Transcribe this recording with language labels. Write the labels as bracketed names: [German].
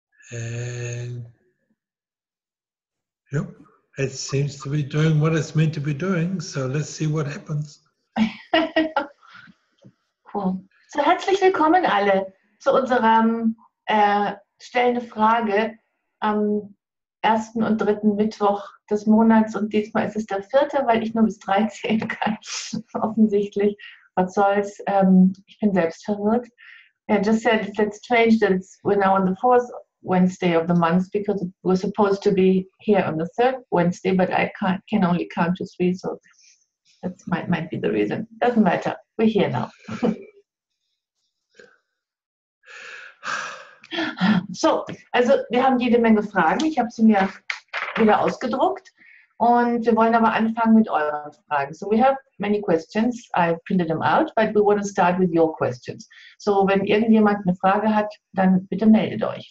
[English] And yep, it seems to be doing what it's meant to be doing. So let's see what happens. Cool. [German] So herzlich willkommen alle zu unserem stellende Frage am ersten und dritten Mittwoch des Monats, und diesmal ist es der vierte, weil ich nur bis 13 kann, offensichtlich. Was soll's? Ich bin selbst verwirrt. [English] Yeah, just said it's strange that we're now on the fourth Wednesday of the month, because we're supposed to be here on the third Wednesday, but I can only count to three, so that might be the reason. Doesn't matter. We're here now. [German] So, also wir haben jede Menge Fragen. Ich habe sie mir wieder ausgedruckt. Und wir wollen aber anfangen mit euren Fragen. [English] So, we have many questions. I printed them out, but we want to start with your questions. [German] So, wenn irgendjemand eine Frage hat, dann bitte meldet euch.